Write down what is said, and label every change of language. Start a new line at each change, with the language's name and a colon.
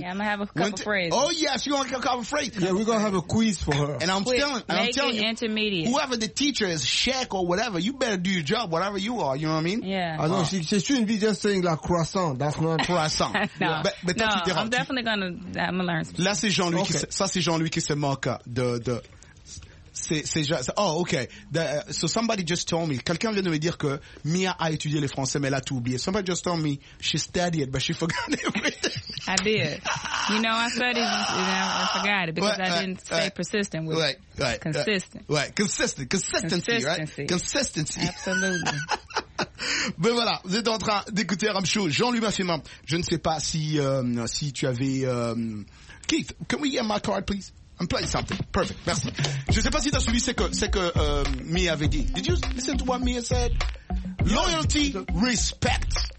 English: Yeah, I'm going to have a couple phrases. Oh, yes, you want a couple phrases. Yeah, we're going to have a quiz for her. And I'm telling you, intermediate. Whoever the teacher is, Sheikh or whatever, you better do your job, whatever you are. You know what I mean? Yeah. I know, she shouldn't be just saying like croissant. That's not croissant. No, I'm definitely going to learn some.
French: Là, c'est Jean-Louis qui... Ça, c'est Jean-Louis qui se moque de c'est oh, ok.
English: So somebody just told me.
French: Quelqu'un vient de me dire que Mia a étudié le français, mais elle a tout oublié.
English: Somebody just told me she studied, but she forgot everything. I did. You know, I studied, and I forgot it because I didn't stay consistent.
French: Ben voilà, vous êtes en train d'écouter Ram Show. Jean-Louis Mafema, je ne sais pas si tu avais...
English: Keith, can we get my card, please? I'm playing something. Perfect, merci.
French: Je ne sais pas si tu as suivi ce que Mia avait dit.
English: Did you listen to what Mia said? Loyalty, respect.